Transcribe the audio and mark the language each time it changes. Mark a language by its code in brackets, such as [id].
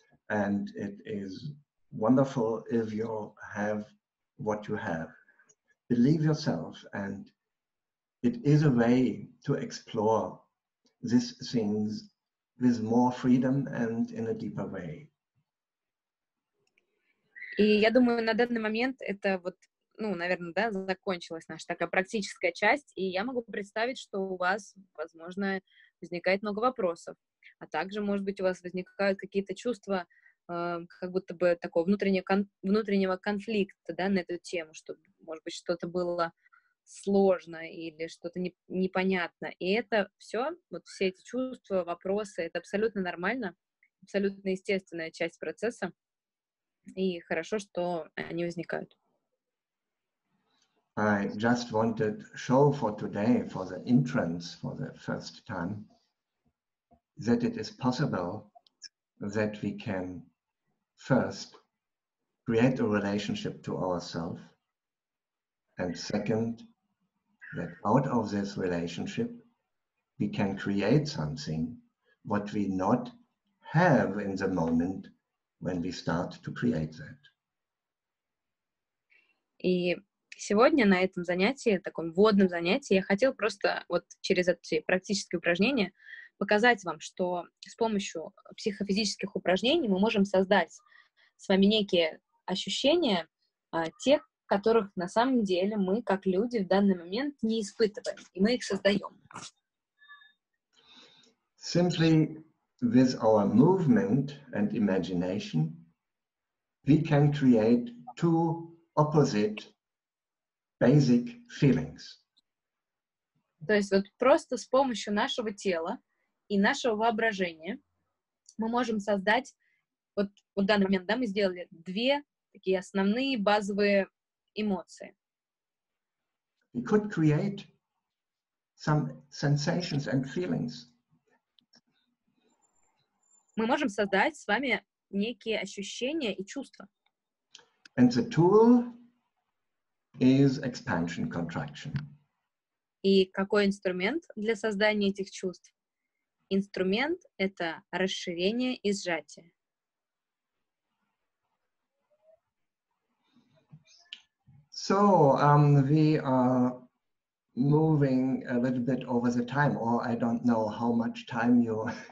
[en] And it is wonderful if you have what you have. Believe yourself, and it is a way to explore these things with more freedom and in a deeper way. [ru] И я думаю, на данный момент это вот, ну, наверное, да, закончилась наша такая практическая часть, и я могу представить, что у вас, возможно, возникает много вопросов, а также, может быть, у вас возникают какие-то чувства, как будто бы такого внутреннего конфликта, да, на эту тему, что, может быть, что-то было сложно или что-то непонятно, и это все, вот все эти чувства, вопросы, это абсолютно нормально, абсолютно естественная часть процесса. И хорошо, что они возникают. [en] I just wanted to show for today, for the entrance, for the first time, that it is possible that we can first create a relationship to ourselves, and second, that out of this relationship we can create something what we not have in the moment when we start to create that. [ru] И сегодня на этом занятии, таком вводном занятии, я хотел просто вот через эти практические упражнения показать вам, что с помощью психофизических упражнений мы можем создать с вами некие ощущения, тех, которых на самом деле мы как люди в данный момент не испытываем, и мы их создаем. [en] Simply with our movement and imagination, we can create two opposite basic feelings. [ru] То есть вот просто с помощью нашего тела и нашего воображения мы можем создать, вот в данный момент, да, мы сделали две такие основные базовые эмоции. [en] We could create some sensations and feelings. [ru] Мы можем создать с вами некие ощущения и чувства. [en] And the tool is expansion-contraction. [ru] И какой инструмент для создания этих чувств? Инструмент — это расширение и сжатие. [en] So, we are moving a little bit over the time, or I don't know how much time you...